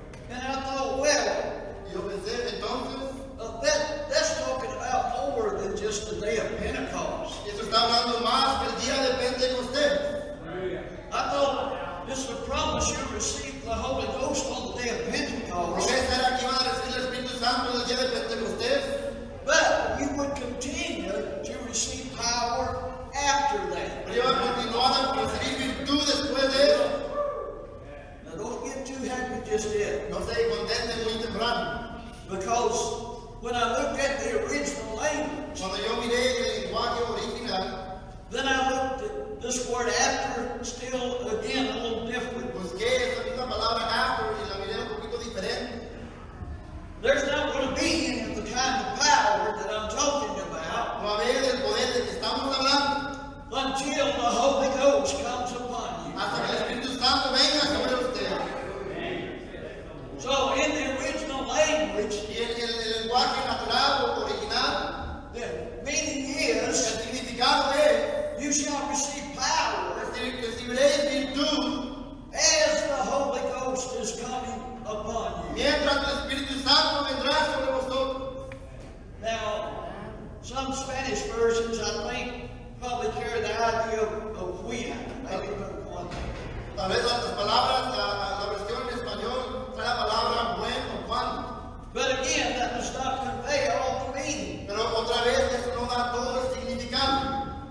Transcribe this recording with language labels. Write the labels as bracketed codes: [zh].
[en] And I thought, well, that's talking about more than just the day of Pentecost. [es] Eso está hablando más que el día de Pentecostés. [en] I thought it's a promise you received the Holy Ghost on the day of Pentecost. [es] ¿Era que iban a recibir el Espíritu Santo el día de Pentecostés? [en] But you would continue to receive power after that. [es] Pero iban a continuar a recibir virtud después de eso. [en] Now don't get too happy just yet. [es] No se contente muy temprano. [en] Because when I looked at the original language, [es] cuando yo miré el lenguaje original, [en] then I looked at this word after still again a little different. [es] Busqué esa misma palabra after y la miré un poquito diferente. [en] There's not going to be any of the kind of power that I'm talking about. [es] No haber el poder de que estamos hablando. [en] Until the Holy Ghost comes upon you. [es] Hasta que el Espíritu Santo venga sobre usted. [en] So in the original language, [es] y en el lenguaje natural o original, [en] the meaning is, [es] el significado es, [en] you shall receive power, [es] recibiréis virtud, [en] as the Holy Ghost is coming upon you. [es] Mientras el Espíritu Santo vendrá sobre vosotros. [en] Now, some Spanish versions, I think, probably carry the idea of when. Maybe not one. [es] Tal vez las palabras, la versión en español. La palabra buen o cuando. [en] But again, that does not convey all the meaning. [es] Pero otra vez, eso no da todo el significado.